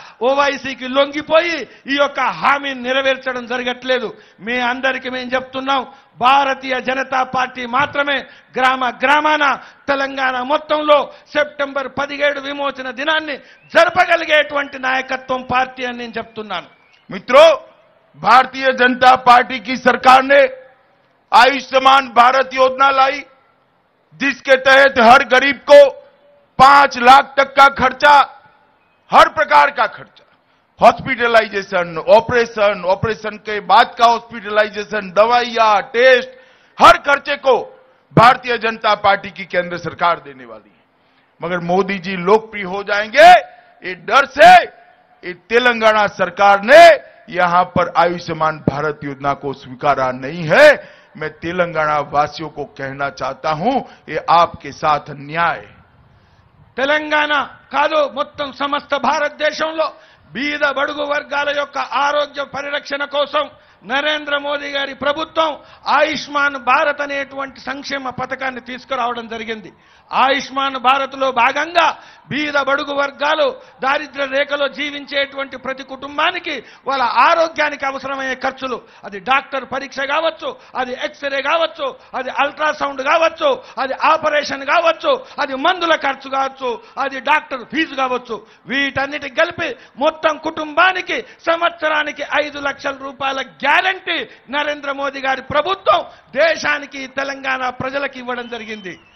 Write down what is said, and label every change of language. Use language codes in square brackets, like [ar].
[te] ఓవైసీకి లొంగిపోయి ఈ యొక్క హామీని నెరవేర్చడం జరగట్లేదు మీ అందరికీ మేము చెప్తున్నాం భారతీయ జనతా పార్టీ మాత్రమే గ్రామ గ్రామాన తెలంగాణ మొత్తంలో సెప్టెంబర్ 17 విమోచన దినాన్ని జరపగలిగేటువంటి నాయకత్వం పార్టీ అని నేను చెప్తున్నాను [hi] मित्रों, भारतीय जनता पार्टी की सरकार ने आयुष्मान भारत योजना लाई, जिसके तहत हर गरीब को 5 लाख तक का खर्चा, हर प्रकार का खर्चा, हॉस्पिटलाइजेशन, ऑपरेशन, ऑपरेशन के बाद का हॉस्पिटलाइजेशन, दवाइयां, टेस्ट, हर खर्चे को भारतीय जनता पार्टी की केंद्र सरकार देने वाली है। मगर मोदी जी लोकप्रिय हो जाएंगे ये डर से ये तेलंगाना सरकार ने यहां पर आयुष्मान भारत योजना को स्वीकारा नहीं है। मैं तेलंगाना वासियों को कहना चाहता हूं, ये आपके साथ अन्याय। [te] తెలంగాణ కాదు మొత్తం సమస్త భారతదేశంలో బీద బడుగు వర్గాల యొక్క ఆరోగ్య పరిరక్షణ కోసం నరేంద్ర మోదీ గారి ప్రభుత్వం ఆయుష్మాన్ భారత్ అనేటువంటి సంక్షేమ పథకాన్ని తీసుకురావడం జరిగింది. ఆయుష్మాన్ భారత్ లో భాగంగా బీద బడుగు వర్గాలు, దారిద్ర రేఖలో జీవించేటువంటి ప్రతి కుటుంబానికి వాళ్ళ ఆరోగ్యానికి అవసరమయ్యే ఖర్చులు, అది డాక్టర్ పరీక్ష కావచ్చు, అది ఎక్స్రే కావచ్చు, అది అల్ట్రాసౌండ్ కావచ్చు, అది ఆపరేషన్ కావచ్చు, అది మందుల ఖర్చు కావచ్చు, అది డాక్టర్ ఫీజు కావచ్చు, వీటన్నిటి కలిపి మొత్తం కుటుంబానికి సంవత్సరానికి 5 లక్షల రూపాయల గ్యారంటీ నరేంద్ర మోదీ గారి ప్రభుత్వం దేశానికి, తెలంగాణ ప్రజలకు ఇవ్వడం జరిగింది.